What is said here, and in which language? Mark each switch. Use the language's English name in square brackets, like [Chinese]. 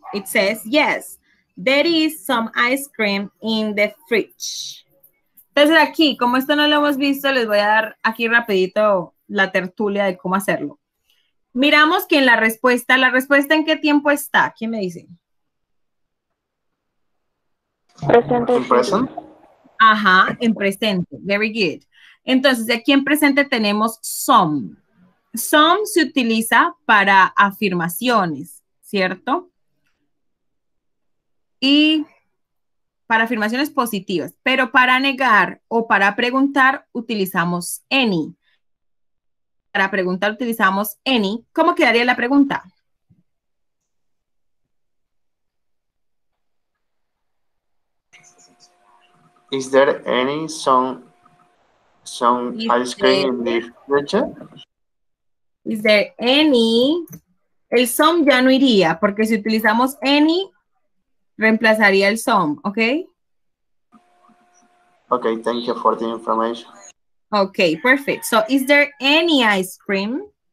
[English] It says, yes, there is some ice cream in the fridge. [Spanish] Entonces aquí, como esto no lo hemos visto, les voy a dar aquí rapidito la tertulia de cómo hacerlo. Miramos que en la respuesta en qué tiempo está. ¿Quién me dice? Presente. En presente. Ajá, en presente. [English] Very good. [Spanish] Entonces, aquí en presente tenemos some. Some se utiliza para afirmaciones, ¿cierto? Y para afirmaciones positivas. Pero para negar o para preguntar utilizamos any. Para preguntar utilizamos any. ¿Cómo quedaría la pregunta? [English] Is there any some ice cream in the fridge? Is there any? [Spanish] El some ya no iría, porque si utilizamos any, reemplazaría el some, ¿ok? [English] Ok, thank you for the information. Okay, perfect. So, is there any ice cream?